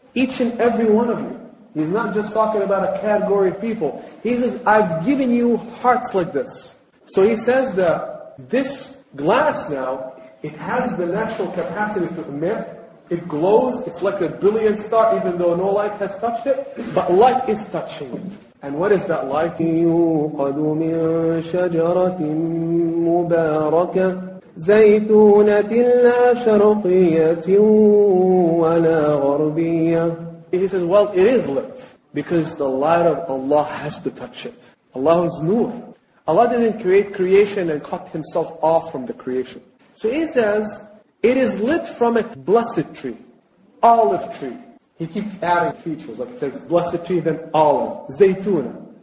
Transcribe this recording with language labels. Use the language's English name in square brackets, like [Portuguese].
[English] Each and every one of you. He's not just talking about a category of people. He says, I've given you hearts like this. So he says that this glass now, it has the natural capacity to emit. It glows, it's like a brilliant star, even though no light has touched it. But light is touching it. And what is that light? [Arabic] يوقد من شجرة مباركة زيتونة لا شرقية ولا غربية. [English] He says, well, it is lit. Because the light of Allah has to touch it. Allah is nur. Allah didn't create creation and cut himself off from the creation. So he says, it is lit from a blessed tree. Olive tree. He keeps adding features, like it says, blessed tree, then olive, zaytuna.